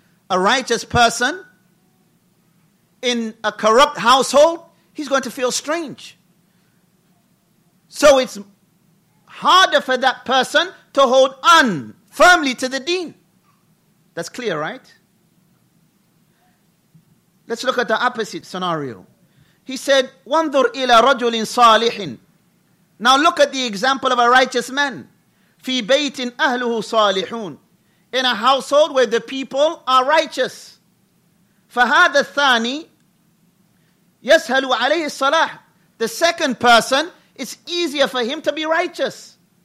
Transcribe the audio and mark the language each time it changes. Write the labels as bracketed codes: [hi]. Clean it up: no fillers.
[en] A righteous person in a corrupt household, he's going to feel strange. So it's harder for that person to hold on firmly to the deen. That's clear, right? Let's look at the opposite scenario. He said, [ar] وَانْظُرْ إِلَىٰ رَجُلٍ صَالِحٍ. [en] Now look at the example of a righteous man. [ar] فِي بَيْتٍ أَهْلُهُ صَالِحُونَ, [en] in a household where the people are righteous. [ar] فَهَذَا الثَّانِي يَسْهَلُ عَلَيْهِ الصَّلَاحِ, [en] the second person, it's easier for him to be righteous.